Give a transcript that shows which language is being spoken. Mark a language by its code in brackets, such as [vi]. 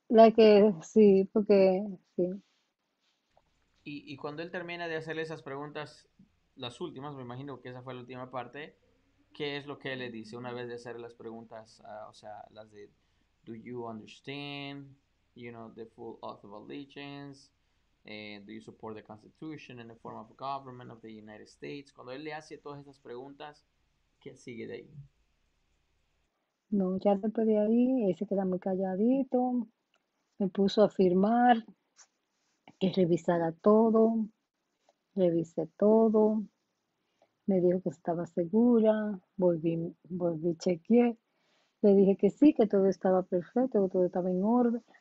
[es] la que sí, porque sí. Y cuando él termina de hacerle esas preguntas, las últimas, me imagino que esa fue la última parte, ¿qué es lo que él le dice una vez de hacer las preguntas? O sea, las de, [en] ¿Do you understand? You know, the full oath of allegiance. ¿Do you support the Constitution and the form of government of the United States? [es] Cuando él le hace todas esas preguntas, ¿qué sigue de ahí? No, ya después de ahí, él se queda muy calladito, me puso a firmar, que revisara todo, revisé todo, me dijo que estaba segura, volví, chequeé, le dije que sí, que todo estaba perfecto, que todo estaba en orden.